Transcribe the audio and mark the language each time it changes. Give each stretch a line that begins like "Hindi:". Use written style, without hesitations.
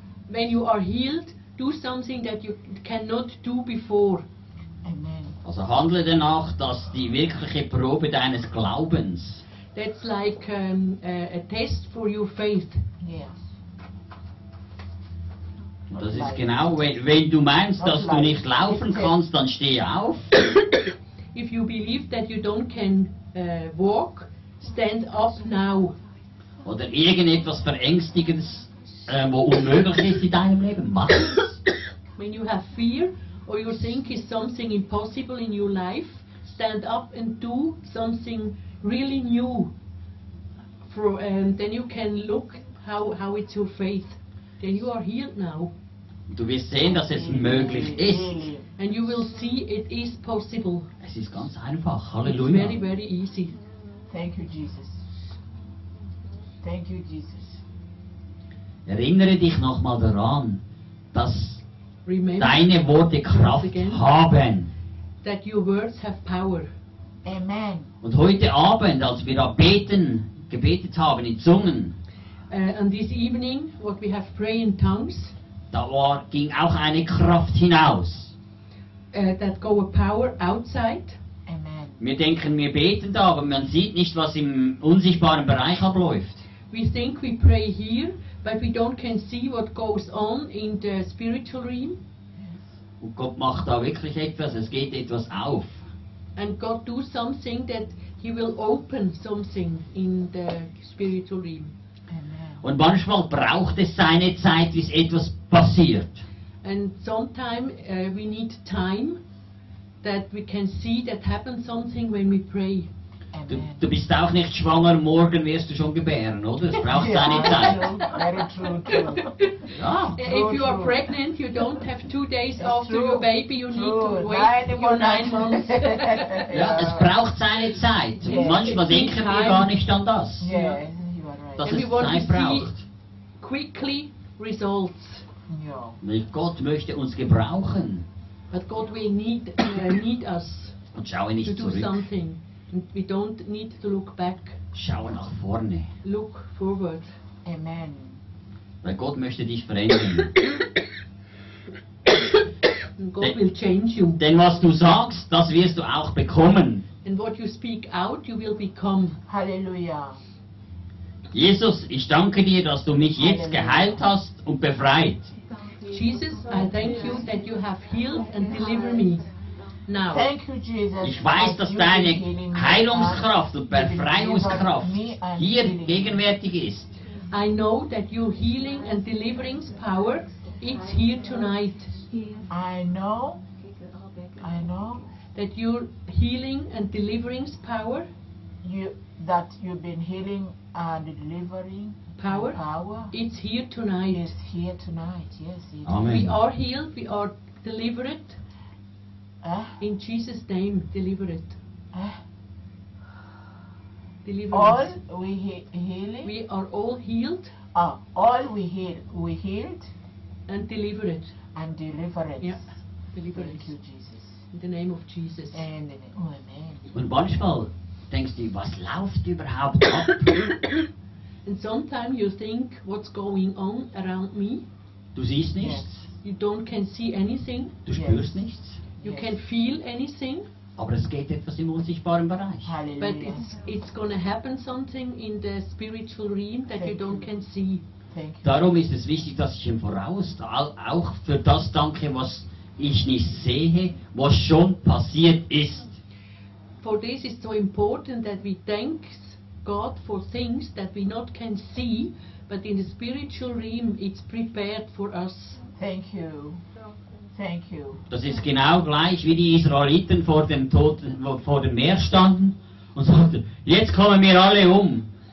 English: When you are healed, do something that you cannot do before. Amen.
German: Also handle danach, dass die wirkliche Probe deines Glaubens.
English: That's like a test for your faith. Yes.
German: Das ist genau, wenn du meinst, dass du nicht laufen kannst, dann steh auf.
English: If you believe that you don't can walk, stand up now.
German: Oder irgendetwas Verängstigendes, wo unmöglich ist in deinem Leben, mach es.
English: When you have fear or you think is something impossible in your life, stand up and do something really new. Then you can look how it's your faith. Then you are healed now.
German: Du wirst sehen, dass es möglich ist.
English: And you will see it is possible.
German: Es ist ganz einfach. Halleluja.
English: Very, very easy. Thank you, Jesus. Thank you, Jesus.
German: Erinnere dich nochmal daran, dass deine Worte Kraft haben.
English: That your words have power. Amen.
German: Und heute Abend, als wir da gebetet haben in Zungen,
English: and this evening, what we have prayed in tongues,
German: ging auch eine Kraft hinaus.
English: That go a power outside. Amen.
German: Wir denken, wir beten da, aber man sieht nicht, was im unsichtbaren Bereich abläuft.
English: We think we pray here, but we don't can see what goes on in the spiritual realm.
German: Und Gott macht da wirklich etwas, es geht etwas auf.
English: And God do something that he will open something in the spiritual realm.
German: Und manchmal braucht es seine Zeit, bis etwas passiert.
English: And sometimes we need time that we can see that happens something when we pray.
German: Du bist auch nicht schwanger, morgen wirst du schon gebären, oder? Es braucht seine Zeit.
English: Very true. Ja. If you are pregnant, you don't have 2 days after your baby, you need to wait for 9 months.
German: Ja, es braucht seine Zeit. Und manchmal denken wir gar nicht an das. Dass es Zeit braucht.
English: Quickly results.
German: Gott möchte uns gebrauchen.
English: But God will need us.
German: Und schaue nicht zurück.
English: To do something. We don't need to look back.
German: Schau nach vorne.
English: Look forward. Amen.
German: Weil Gott möchte dich verändern.
English: God will change you.
German: Denn was du sagst, das wirst du auch bekommen.
English: And what you speak out, you will become. Halleluja.
German: Jesus, ich danke dir, dass du mich jetzt geheilt hast und befreit.
English: Jesus, I thank you that you have healed and delivered me. Now, thank you, Jesus,
German: ich weiß, dass deine Heilungskraft und Befreiungskraft hier gegenwärtig ist.
English: I know that your healing and deliverance power is here tonight. I know that your healing and deliverance power, that you've been healing and delivering power, it's here tonight. It's here tonight. Yes. Amen. We are healed. We are delivered. In Jesus' name, deliver it. All we healing. We are all healed. We healed. And deliver it. And deliver it. Yeah. Deliver Thank it. You, Jesus. In the name of Jesus. And in the name. Oh,
German: amen. Und manchmal denkst du, was läuft überhaupt ab?
English: And sometimes you think, what's going on around me?
German: Du siehst nichts.
English: Yes. You don't can see anything.
German: Du spürst nichts.
English: You can feel anything.
German: Aber es geht etwas im unsichtbaren Bereich. Halleluja.
English: But it's going to happen something in the spiritual realm that you don't can see. Thank you.
German: Darum ist es wichtig, dass ich im Voraus auch für das danke, was ich nicht sehe, was schon passiert ist.
English: For this is so important that we thank God for things that we not can see, but in the spiritual realm it's prepared for us. Thank you. Thank you.
German: Das ist genau gleich wie die Israeliten vor dem Tod, vor dem Meer standen und sagten, jetzt kommen wir alle um.